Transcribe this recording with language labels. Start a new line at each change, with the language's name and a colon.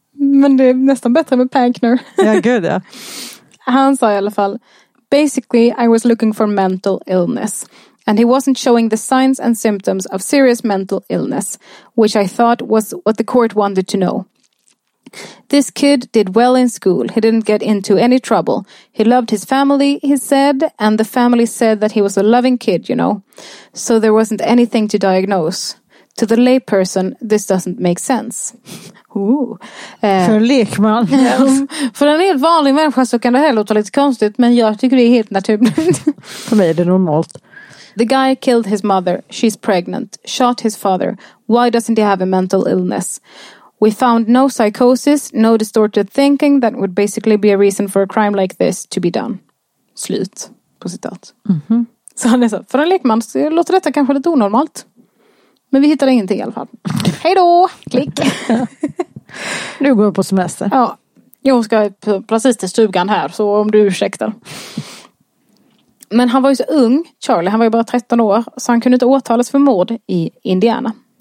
Swedish: Men det är nästan bättre med Pankner. Ja, gud ja. Han sa i alla fall,
English: basically I was looking for mental illness. And he wasn't showing the signs and symptoms of serious mental illness, which I thought was what the court wanted to know. This kid did well in school. He didn't get into any trouble. He loved his family, he said, and the family said that he was a loving kid, you know. So there wasn't anything to diagnose. To the layperson, this doesn't make sense.
Swedish: Ooh. För lekman. För en helt vanlig människa så kan det här låta lite konstigt, men jag tycker det är helt naturligt. För mig är det normalt.
English: The guy killed his mother. She's pregnant. Shot his father. Why doesn't he have a mental illness? We found no psychosis, no distorted thinking that would basically be a reason for a crime like this to be done.
Swedish: Slut på citat. Mm-hmm. Så han är så, för en lekman så låter detta kanske lite onormalt. Men vi hittade ingenting i alla fall. Hej då! Klick! Nu går vi på semester. Ja, jag ska precis till stugan här, så om du ursäktar. Men han var ju så ung, Charlie, han var ju bara 13 år, så han kunde inte åtalas för mord i Indiana.